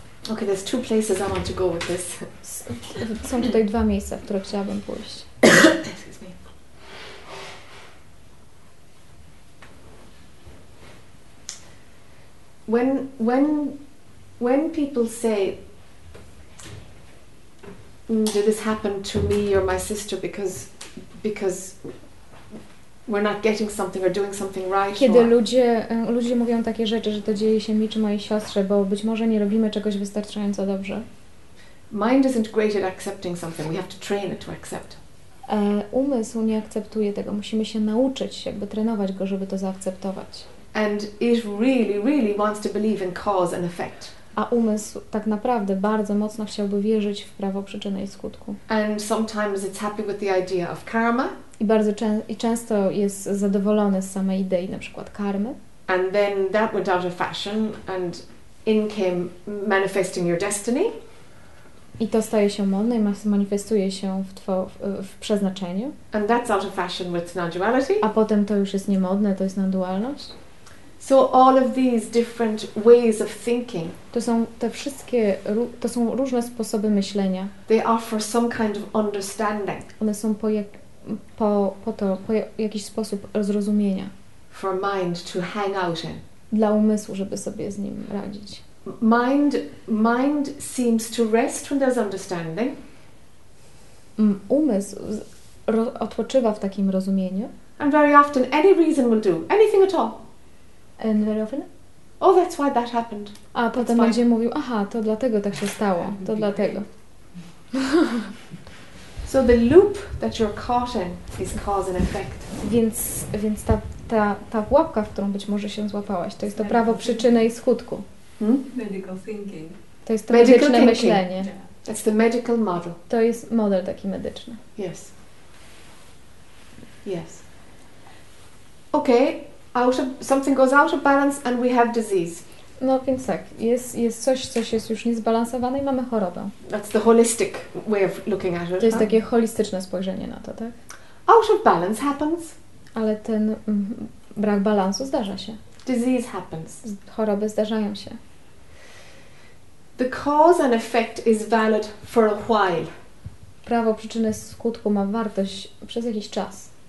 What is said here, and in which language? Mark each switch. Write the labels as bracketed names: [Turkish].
[English] Okay, there's two places I want to go with this. [Polish] Są tutaj dwa miejsca, w które chciałabym pójść. [English] When people say, did this happen to me or my sister because we're not getting something or doing something right? [Polish] Kiedy ludzie mówią takie rzeczy, że to dzieje się mi czy mojej siostrze, bo być może nie robimy czegoś wystarczająco dobrze. [English] Mind isn't great at accepting something. We have to train it to accept. [Polish] Umysł nie akceptuje tego. Musimy się nauczyć, jakby trenować go, żeby to zaakceptować. [English] And it really, really wants to believe in cause and effect. [Polish] A umysł tak naprawdę bardzo mocno chciałby wierzyć w prawo przyczyny i skutku. [English] And sometimes it's happy with the idea of karma. [Polish] I często jest zadowolony z samej idei na przykład karmy. [English] And then that went out of fashion and in came manifesting your destiny. [Polish] I to staje się modne i manifestuje się w przeznaczeniu. [English] And that's out of fashion with non-duality. [Polish] A potem to już jest niemodne, to jest non-dualność. [English] So all of these different ways of thinking. [Polish] To są te wszystkie, to są różne sposoby myślenia. [English] They offer some kind of understanding. [Polish] One są po jakiś sposób zrozumienia. [English] For mind to hang out in. [Polish] Dla umysłu, żeby sobie z nim radzić. [English] Mind seems to rest when there's understanding. [Polish] Umysł odpoczywa w takim rozumieniu. [English] And very often any reason will do. Anything at all. And very often. Oh, that's why that happened. [Polish] A potem będzie mówił, aha, to dlatego tak się stało, to dlatego. [English] So the loop that you're caught in is cause and effect. [Polish] Więc ta pułapka, w którą być może się złapałaś, to jest to prawo przyczyny i skutku. [English] Medical thinking. [Polish] To jest to medyczne myślenie. [English] That's the medical model. [Polish] To jest model taki medyczny. [English] Yes. Yes. Okay. Something goes out of balance and we have disease. [Polish] No więc tak, jest coś, co jest już niezbalansowane i mamy chorobę. [English] That's the holistic way of looking at it. [Polish] To jest takie holistyczne spojrzenie na to, tak? [English] Out of balance happens. [Polish] Ale ten brak balansu zdarza się. [English] Disease happens. [Polish] Choroby zdarzają się. [English] The cause and effect is valid for a while. [Polish] Prawo przyczyny skutku ma wartość przez jakiś czas.